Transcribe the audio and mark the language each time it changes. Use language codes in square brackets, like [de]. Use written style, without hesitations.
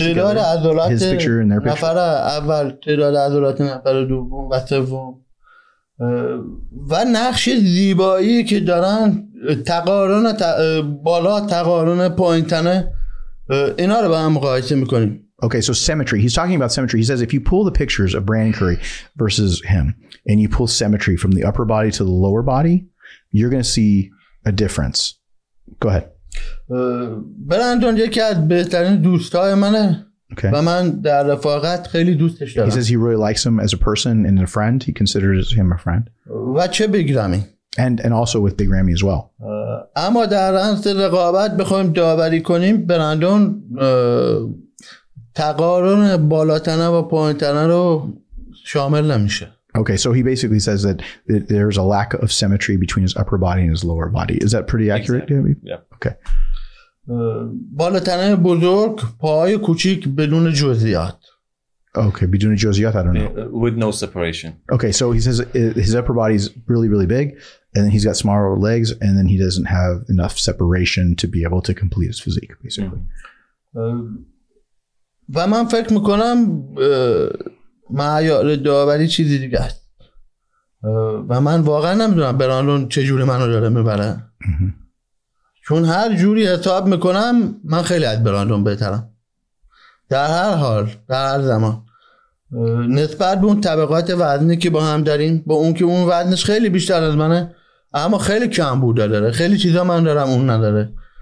[fa] تعداد عضلات نفر اول، تعداد عضلات نفر دوم و سوم و نقش زیبایی که دارن، تقارن بالا، تقارن پایین‌تنه، اینا رو با هم مقایسه میکنیم. [en] Okay, so symmetry. He's talking about symmetry. He says if you pull the pictures of Brandon Curry versus him and you pull symmetry from the upper body to the lower body, you're going to see a difference. Go ahead. [fa] برندون یکی از بهترین دوستای منه. [en] Okay. [fa] و من در رفاقت خیلی دوستش دارم. [en] He says he really likes him as a person and a friend. He considers him a friend. [fa] و چه Big Ramy. [en] And also with Big Ramy as well. [fa] اما در رنس رقابت بخوایم داوری کنیم، برندون تقارن بالاتنه و پایینتنه رو شامل نمیشه. [en] Okay, so he basically says that there's a lack of symmetry between his upper body and his lower body. Is that pretty accurate, Gabby? Exactly. Yeah. Okay. [fa] بالاتنه بزرگ، پای کوچیک بدون جزئیات. [en] Okay, [fa] بدون جزئیات, [en] I don't know. With no separation. Okay, so he says his upper body is really, really big, and then he's got smaller legs, and then he doesn't have enough separation to be able to complete his physique, basically. [fa] و من فکر میکنم معیار داوری چیزی دیگه است و من واقعا نمیدونم برانلون چجوری منو داره میبره. چون هر جوری حساب میکنم من خیلی از برانلون بهترم در هر حال، در هر زمان، نسبت به اون طبقات وزنی که با هم داریم، با اون که اون وزنش خیلی بیشتر از منه اما خیلی کم بوده داره، خیلی چیزا من دارم اون نداره.